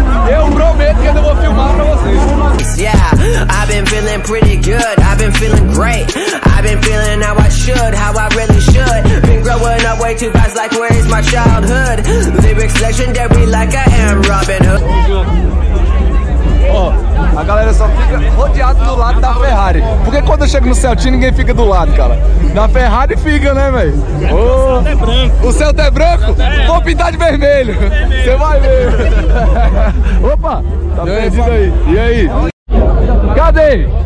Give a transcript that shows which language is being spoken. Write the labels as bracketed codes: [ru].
[pt] Eu prometo que eu vou filmar pra vocês. [en] Yeah, I've been feeling pretty good. I've been feeling great. I've been feeling how I should, how I really should. Been growing up way too fast, like where is my childhood? Lyrics legendary, like I am Robin Hood. [pt] A galera só fica rodeado do lado da Ferrari. Porque quando eu chego no Celtinho, ninguém fica do lado, cara. Na Ferrari fica, né, velho? O Celta é branco. O Celta é branco? Vou pintar de vermelho. Você vai ver. Opa, tá perdido aí. E aí? Cadê?